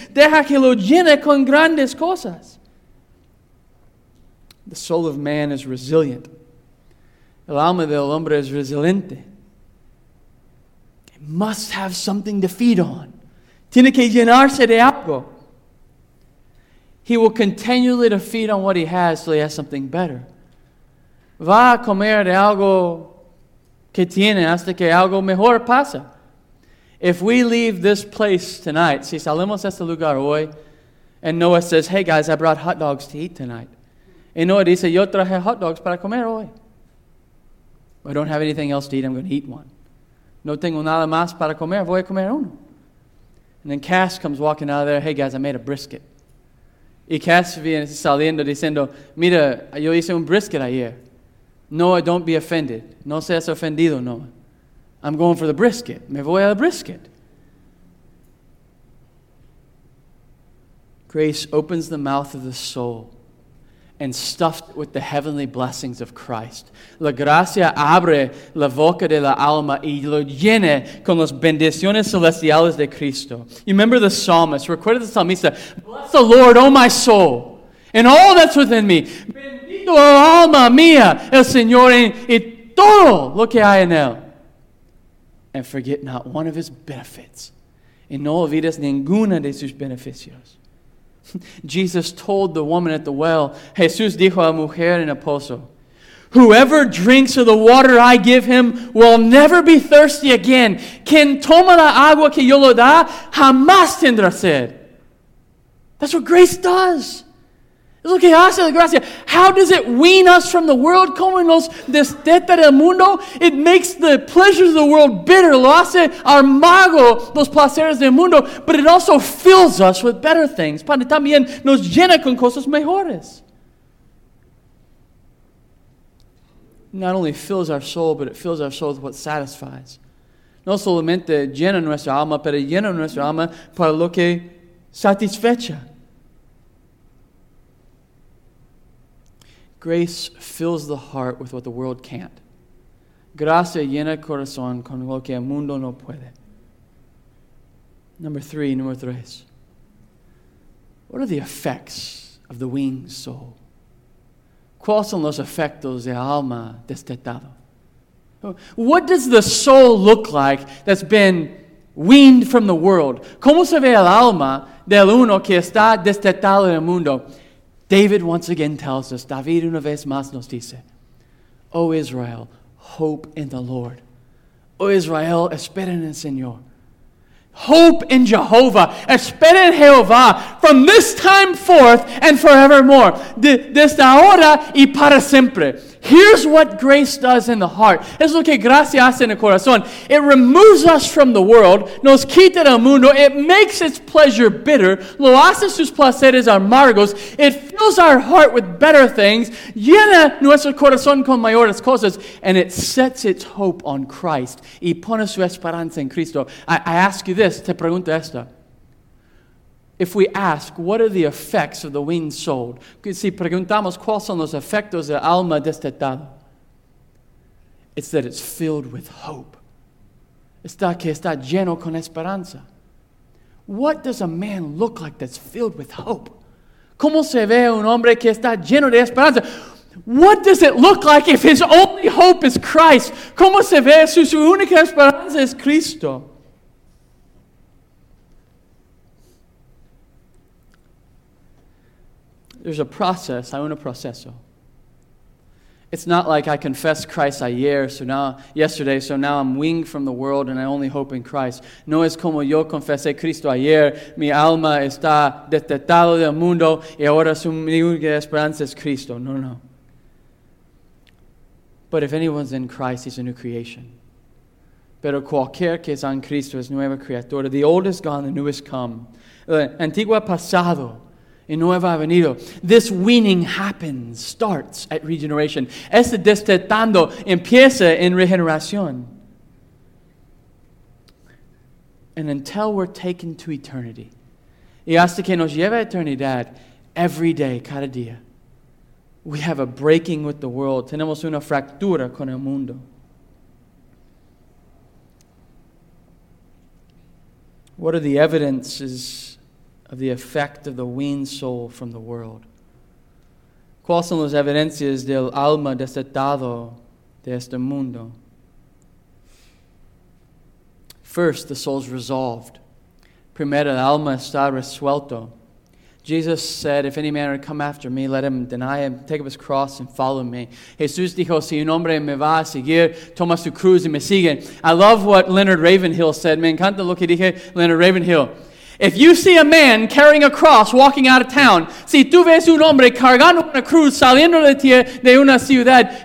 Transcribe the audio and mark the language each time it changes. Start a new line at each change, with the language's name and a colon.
Spanish: Deja que lo llene con grandes cosas.
English: The soul of man is resilient.
Spanish: El alma del hombre es resiliente.
English: It must have something to feed on.
Spanish: Tiene que llenarse de algo.
English: He will continually to feed on what he has till he has something better.
Spanish: Va a comer de algo que tiene hasta que algo mejor pasa.
English: If we leave this place tonight,
Spanish: si salimos de este lugar hoy,
English: and Noah says, hey guys, I brought hot dogs to eat tonight.
Spanish: Y Noah dice, yo traje hot dogs para comer hoy.
English: I don't have anything else to eat, I'm going to eat one.
Spanish: No tengo nada más para comer, voy a comer uno.
English: And then Cass comes walking out of there, hey guys, I made a brisket.
Spanish: Y Cass viene saliendo diciendo, mira, yo hice un brisket ayer.
English: Noah, don't be offended.
Spanish: No seas ofendido, Noah.
English: I'm going for the brisket.
Spanish: Me voy al brisket.
English: Grace opens the mouth of the soul and stuffed with the heavenly blessings of Christ.
Spanish: La gracia abre la boca de la alma y lo llena con las bendiciones celestiales de Cristo.
English: You remember the psalmist. Recuerda the psalmist. Bless the Lord, O my soul, and all that's within me.
Spanish: Oh, alma mía, el Señor en todo lo que hay en él.
English: And forget not one of his benefits.
Spanish: Y no olvides ninguna de sus beneficios.
English: Jesus told the woman at the well,
Spanish: Jesús dijo a la mujer en el pozo,
English: whoever drinks of the water I give him will never be thirsty again.
Spanish: Quien toma la agua que yo lo da, jamás tendrá sed.
English: That's what grace does.
Spanish: Es lo que hace la gracia.
English: How does it wean us from the world?
Spanish: Como nos destete del mundo?
English: It makes the pleasures of the world bitter.
Spanish: Lo hace amargo los placeres del mundo.
English: But it also fills us with better things.
Spanish: Pero también nos llena con cosas mejores.
English: Not only fills our soul, but it fills our soul with what satisfies.
Spanish: No solamente llena nuestra alma, pero llena nuestra alma para lo que satisfecha.
English: Grace fills the heart with what the world can't.
Spanish: Gracia llena el corazón con lo que el mundo no puede.
English: Number three. What are the effects of the winged soul?
Spanish: ¿Cuáles son los efectos de alma destetado?
English: What does the soul look like that's been weaned from the world?
Spanish: ¿Cómo se ve el alma del uno que está destetado en el mundo?
English: David once again tells us,
Spanish: David una vez más nos dice,
English: O Israel, hope in the Lord.
Spanish: O Israel, espera en el Señor.
English: Hope in Jehovah.
Spanish: Espera en Jehová.
English: From this time forth and forevermore.
Spanish: Desde ahora y para siempre.
English: Here's what grace does in the heart.
Spanish: Es lo que gracia hace en el corazón.
English: It removes us from the world.
Spanish: Nos quita del mundo.
English: It makes its pleasure bitter.
Spanish: Lo hace sus placeres amargos.
English: It fills our heart with better things.
Spanish: Llena nuestro corazón con mayores cosas.
English: And it sets its hope on Christ.
Spanish: Y pone su esperanza en Cristo.
English: I ask you this.
Spanish: Te pregunto esto.
English: If we ask, what are the effects of the winged soul?
Spanish: Si preguntamos, ¿cuáles son los efectos del alma destetada?
English: It's that it's filled with hope.
Spanish: Está que está lleno con esperanza.
English: What does a man look like that's filled with hope?
Spanish: ¿Cómo se ve un hombre que está lleno de esperanza?
English: What does it look like if his only hope is Christ?
Spanish: ¿Cómo se ve si su única esperanza es Cristo?
English: There's a process.
Spanish: Hay un proceso.
English: It's not like I confessed Christ yesterday, so now I'm winged from the world and I only hope in Christ.
Spanish: No es como yo confesé Cristo ayer. Mi alma está destetado del mundo y ahora mi única esperanza es Cristo. No.
English: But if anyone's in Christ, he's a new creation.
Spanish: Pero cualquier que está en Cristo es nueva criatura.
English: The old is gone, the new is come.
Spanish: La antigua pasado. Y nueva avenido.
English: This weaning happens, starts at regeneration.
Spanish: Este destetando empieza en regeneración.
English: And until we're taken to eternity,
Spanish: y hasta que nos lleva a eternidad,
English: every day,
Spanish: cada día,
English: we have a breaking with the world.
Spanish: Tenemos una fractura con el mundo.
English: What are the evidences of the effect of the weaned soul from the world?
Spanish: ¿Cuáles son las evidencias del alma destetado de este mundo?
English: First, the soul's resolved.
Spanish: Primero, el alma está resuelto.
English: Jesus said, if any man would come after me, let him deny him, take up his cross and follow me.
Spanish: Jesús dijo, si un hombre me va a seguir, toma su cruz y me sigue.
English: I love what Leonard Ravenhill said.
Spanish: Me encanta lo que dije Leonard Ravenhill.
English: If you see a man carrying a cross walking out of town,
Spanish: si tú ves un hombre cargando una cruz saliendo de una ciudad,